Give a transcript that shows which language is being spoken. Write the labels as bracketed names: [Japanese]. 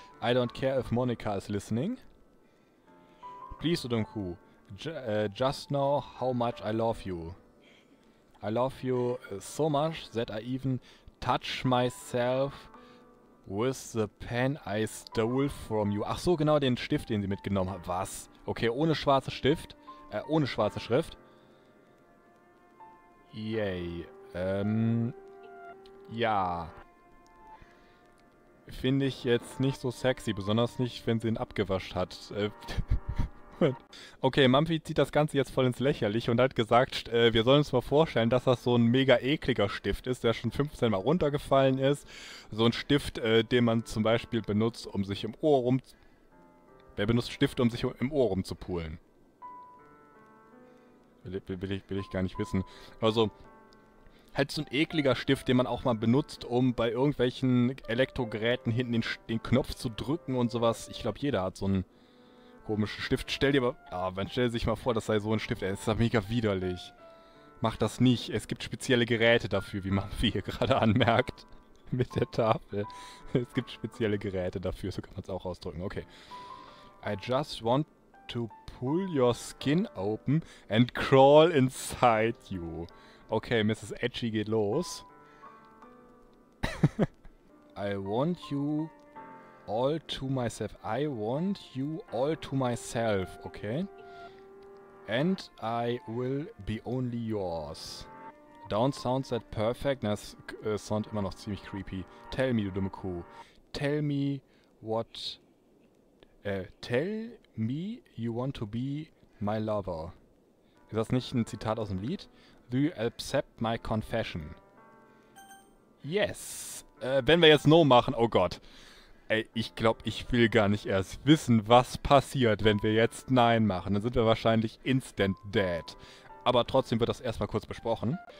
[English] I don't care if Monika is listening. Please, Odonku, just know how much I love you. I love you so much that I even touch myself with the pen I stole from you. [German] Ach so, genau, den Stift, den sie mitgenommen hat. Was? Okay, ohne schwarze Stift. Ohne schwarze Schrift. Yay. Ja. Finde ich jetzt nicht so sexy, besonders nicht, wenn sie ihn abgewascht hat. Okay, Mumpy zieht das Ganze jetzt voll ins Lächerliche und hat gesagt, wir sollen uns mal vorstellen, dass das so ein mega ekliger Stift ist, der schon 15 Mal runtergefallen ist. So ein Stift, den man zum Beispiel benutzt, um sich im Ohr rum... Wer benutzt Stift, um sich im Ohr rum zu pulen? Will ich gar nicht wissen. Also, halt so ein ekliger Stift, den man auch mal benutzt, um bei irgendwelchen Elektrogeräten hinten den Knopf zu drücken und sowas. Ich glaube, jeder hat so einen komischen Stift. Stell sich mal vor, das sei so ein Stift. Ey, das ist mega widerlich. Mach das nicht. Es gibt spezielle Geräte dafür, wie man hier gerade anmerkt. Mit der Tafel. Es gibt spezielle Geräte dafür, so kann man es auch ausdrücken. [English] Okay. I just want to pull your skin open and crawl inside you. [German] Okay, Mrs. Edgy geht los. [English] I want you all to myself. I want you all to myself. Okay. And I will be only yours. Don't sound that perfect. [German] Das sound immer noch ziemlich creepy. [English] Tell me, [German] du dumme Kuh. [English] Tell me what... Tell me you want to be my lover. [German] Ist das nicht ein Zitat aus dem Lied? [English] Do you accept my confession? Yes. [German] Wenn wir jetzt No machen, oh Gott. Ey, ich glaube, ich will gar nicht erst wissen, was passiert, wenn wir jetzt Nein machen. Dann sind wir wahrscheinlich [English] instant dead. [German] Aber trotzdem wird das erstmal kurz besprochen.